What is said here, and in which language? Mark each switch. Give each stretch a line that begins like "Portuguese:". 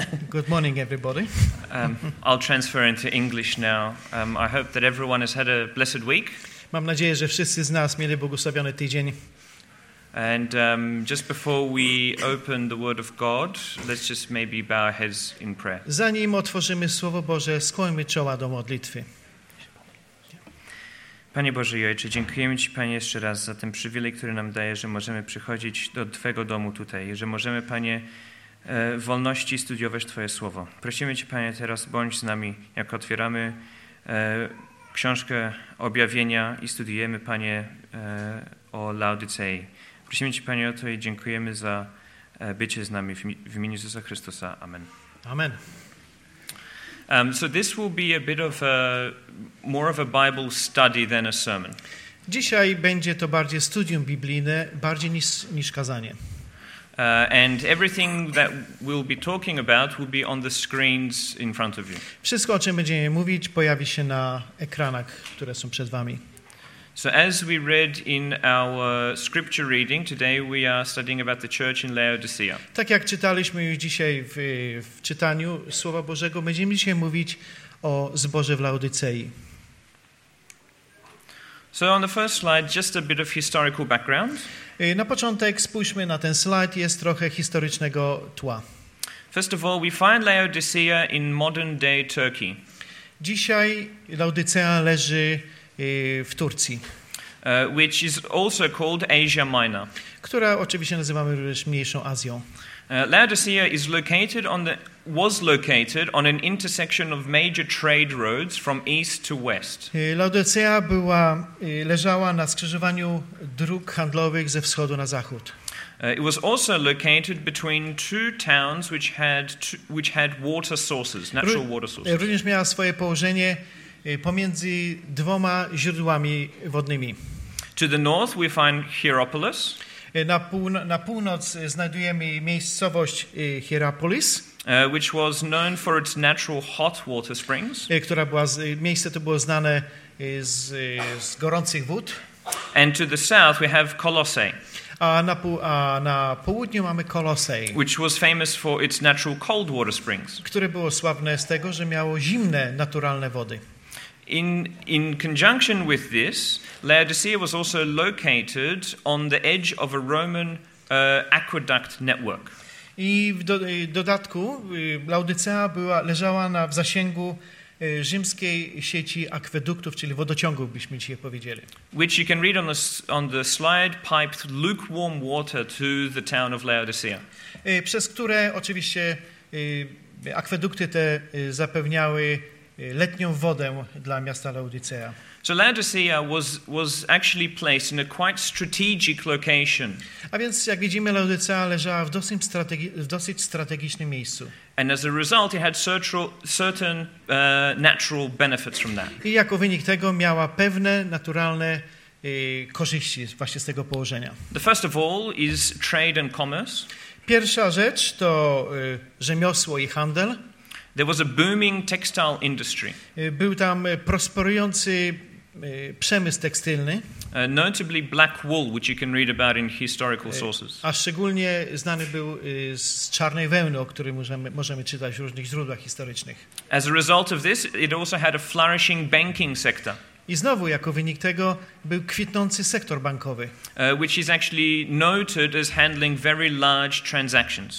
English: Good morning, everybody. I'll transfer into English now. I hope that everyone has had a blessed week.
Polish: Mam nadzieję, że wszyscy z nas mieli błogosławiony tydzień.
English: And just before we open the Word of God, let's just maybe bow our heads in prayer.
Polish: Zanim otworzymy Słowo Boże, skłońmy czoła do modlitwy. Panie Boże i Ojcze, dziękujemy Ci, Panie, jeszcze raz za ten przywilej, który nam daje, że możemy przychodzić do Twojego domu tutaj, że możemy, Panie, w wolności studiować Twoje Słowo. Prosimy Cię, Panie, teraz bądź z nami, jak otwieramy książkę Objawienia i studiujemy, Panie, o Laodycei. Prosimy Cię, Panie, o to i dziękujemy za bycie z nami w imieniu Jezusa Chrystusa. Amen. Amen.
English: So this will be a bit of a more of a Bible study than a sermon.
Polish: Dzisiaj będzie to bardziej studium biblijne, bardziej niż kazanie.
English: And everything that we'll be talking about will be on the screens in front of you.
Polish: Wszystko, o czym będziemy mówić, pojawi się na ekranach, które są przed wami.
English: So as we read in our scripture reading today, we are studying about the church in Laodicea.
Polish: Tak jak czytaliśmy już dzisiaj w czytaniu Słowa Bożego, będziemy dzisiaj mówić o zborze w Laodycei.
English: So on the first slide, just a bit of historical background.
Polish: Na początek spójrzmy na ten slajd, jest trochę historycznego tła.
English: First of all, we find Laodicea in modern-day Turkey.
Polish: Dzisiaj Laodycea leży w Turcji,
English: which is also called Asia Minor,
Polish: która oczywiście nazywamy również mniejszą Azją.
English: Laodicea is located on the was located on an intersection of major trade roads from east to west.
Polish: Laodicea była leżała na skrzyżowaniu dróg handlowych ze wschodu na zachód.
English: It was also located between two towns which had water sources, natural water sources.
Polish: Również miała swoje położenie pomiędzy dwoma źródłami wodnymi.
English: To the north we find Hierapolis.
Polish: Na północ znajdujemy miejscowość Hierapolis,
English: which was known for its natural hot water springs.
Polish: Miejsce to było znane z gorących wód.
English: And to the south we have Colossae.
Polish: A na południu mamy Kolosej,
English: which was famous for its natural cold water springs.
Polish: Które było sławne z tego, że miało zimne naturalne wody.
English: In conjunction with this, Laodicea was also located on the edge of a Roman aqueduct network.
Polish: I w dodatku Laodicea leżała w zasięgu rzymskiej sieci akweduktów, czyli wodociągów, byśmy dzisiaj powiedzieli.
English: Which you can read on the slide, piped lukewarm water to the town of Laodicea.
Polish: Przez które oczywiście akwedukty te zapewniały letnią wodę dla miasta Laodicea.
English: So Laodicea was actually placed in a quite strategic location.
Polish: A więc jak widzimy, Laodicea leżała w dosyć strategicznym miejscu.
English: And as a result it had certain natural benefits from that.
Polish: I jako wynik tego miała pewne naturalne korzyści właśnie z tego położenia.
English: The first of all is trade and commerce.
Polish: Pierwsza rzecz to rzemiosło i handel.
English: There was a booming textile industry.
Polish: Był tam prosperujący przemysł tekstylny.
English: Notably black wool, which you can read about in historical sources.
Polish: A szczególnie znany był z czarnej wełny, o której możemy czytać w różnych źródłach historycznych.
English: As a result of this, it also had a flourishing banking sector.
Polish: I znowu jako wynik tego był kwitnący sektor bankowy,
English: which is actually noted as handling very large transactions.